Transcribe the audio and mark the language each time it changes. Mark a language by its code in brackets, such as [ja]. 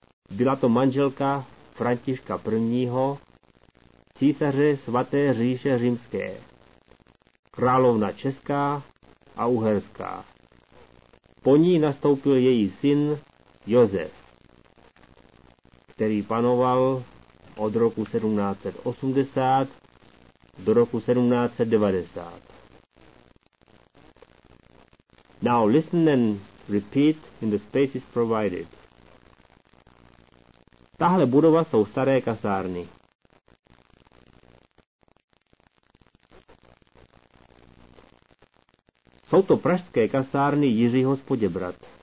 [cs] Byla to manželka Františka I. císaře svaté říše římské, královna česká a uherská. Po ní nastoupil její syn Josef, který panoval od roku 1780 do roku 1790. [en] Now listen and repeat in the spaces provided. [cs] Tahle budova jsou staré kasárny. Jsou to pražské kasárny Jiřího z Poděbrad.